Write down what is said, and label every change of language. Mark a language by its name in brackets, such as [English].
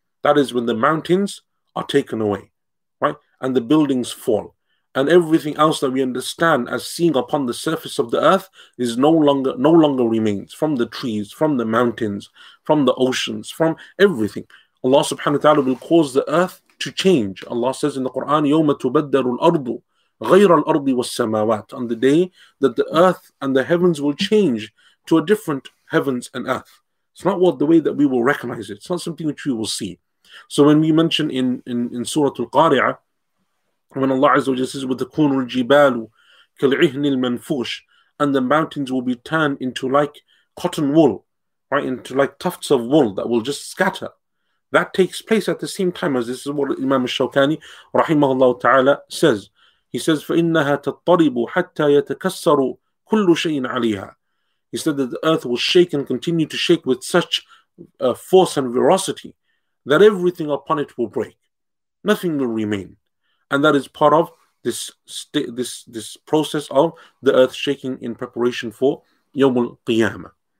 [English] That is when the mountains are taken away, right? And the buildings fall. And everything else that we understand as seeing upon the surface of the earth is no longer remains, from the trees, from the mountains, from the oceans, from everything. Allah subhanahu wa ta'ala will cause the earth to change. Allah says in the Quran, [Arabic] يَوْمَ تُبَدَّرُ الْأَرْضُ غير الأرض والسماوات. [English] On the day that the earth and the heavens will change to a different heavens and earth. It's not what the way that we will recognize it. It's not something which we will see. So when we mention in Surah Al-Qari'ah, when Allah Azza wa Jalla says, [Arabic] وَتَكُونُ الْجِبَالُ كَالْعِهْنِ الْمَنْفُوشِ, [English] and the mountains will be turned into like cotton wool, right, into like tufts of wool that will just scatter. That takes place at the same time as this is what Imam al-Shawkani rahimahullah ta'ala says. He says, [Arabic] فَإِنَّهَا تَطَّرِبُ حَتَّى يَتَكَسَّرُ كُلُّ شَيْءٍ عَلِيهَا. [English] He said that the earth will shake and continue to shake with such force and ferocity that everything upon it will break. Nothing will remain. And that is part of this process of the earth shaking in preparation for يَوْمُ الْقِيَامَةِ.